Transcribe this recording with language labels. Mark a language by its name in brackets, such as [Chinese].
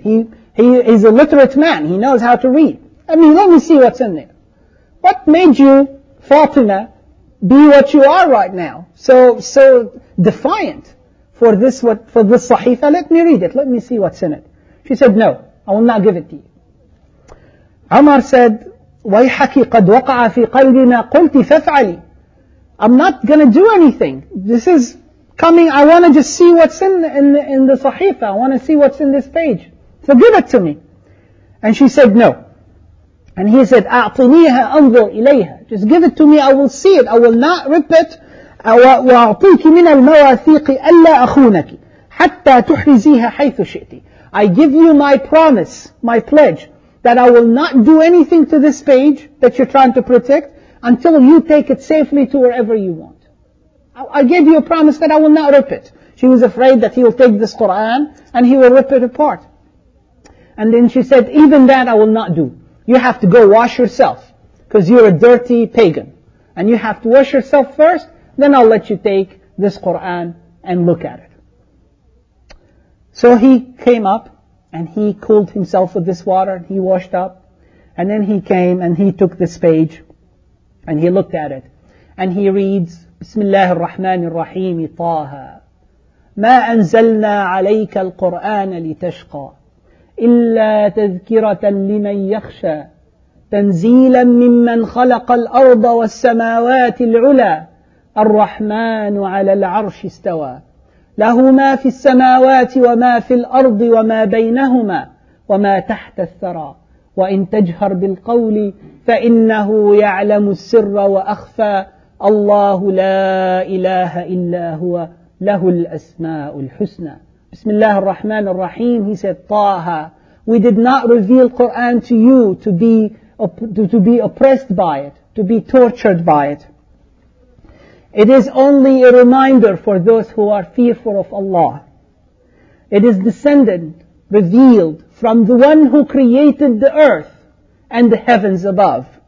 [English] He is a literate man. He knows how to read. I mean, let me see what's in there. What made you, Fatima, be what you are right now? So defiant for this sahifa. Let me read it. Let me see what's in it. She said, no, I will not give it to you. Umar said, [Arabic] وَيْحَكِ قَدْ وَقَعَ فِي قَلْبِنَا قُلْتِ فَفْعَلِي. [English] I'm not going to do anything. This is coming. I want to just see what's in the sahifa. I want to see what's in this page. So give it to me. And she said, no. And he said, [Arabic] أَعْطِنِيهَا أَنْظُرْ إِلَيْهَا. [English] Just give it to me, I will see it. I will not rip it. [Arabic] وَأَعْطِيكِ مِنَ الْمَوَاثِيقِ أَلَّا أَخُونَكِ حَتَّى تُحْرِزِيهَا حَيْثُ شِئْتِ. [English] I give you my promise, my pledge, that I will not do anything to this page that you're trying to protect until you take it safely to wherever you want. I gave you a promise that I will not rip it. She was afraid that he will take this Quran and he will rip it apart. And then she said, even that I will not do. You have to go wash yourself, because you're a dirty pagan. And you have to wash yourself first, then I'll let you take this Quran and look at it. So he came up, and he cooled himself with this water, and he washed up. And then he came, and he took this page, and he looked at it. And he reads, [Arabic] Bismillah ar-Rahman ar-Rahim, طه ما أنزلنا عليك القرآن لتشقى إلا تذكرة لمن يخشى تنزيلا ممن خلق الأرض والسماوات العلى الرحمن على العرش استوى له ما في السماوات وما في الأرض وما بينهما وما تحت الثرى وإن تجهر بالقول فإنه يعلم السر وأخفى الله لا إله إلا هو له الأسماء الحسنى. بسم الله الرحمن الرحيم. [English] He said, طه, we did not reveal Quran to you to be oppressed by it, to be tortured by it. It is only a reminder for those who are fearful of Allah. It is descended, revealed from the one who created the earth and the heavens above.